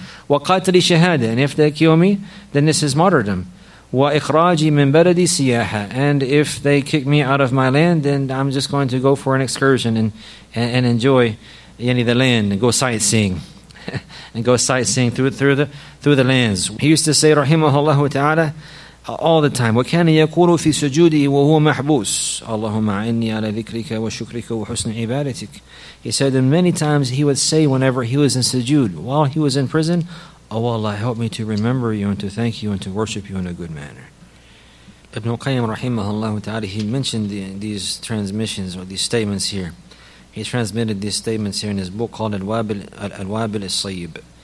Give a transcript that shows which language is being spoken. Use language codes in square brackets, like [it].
[en] Wa qatli shahada. And if they kill me, then this is martyrdom. Wa ikhraji min baladi siyaha. And if they kick me out of my land, then I'm just going to go for an excursion and enjoy any of the land and go sightseeing. And go sightseeing through the lands. [ar] He used to say, rahimahullah ta'ala, all the time, وَكَانَ يَقُولُ فِي سُجُودِهِ وَهُوَ مَحْبُوسٌ اللَّهُمَّ عَنِّي عَلَى ذِكْرِكَ وَشُكْرِكَ وَحُسْنِ عِبَادَتِكَ. [en] He said that many times he would say whenever he was in sujood, while he was in prison, oh Allah, help me to remember you and to thank you and to worship you in a good manner. Ibn Qayyim, rahimahullah ta'ala, he mentioned these transmissions or these statements here. He transmitted these statements here in his book called Al-Wabil al-Sayyib.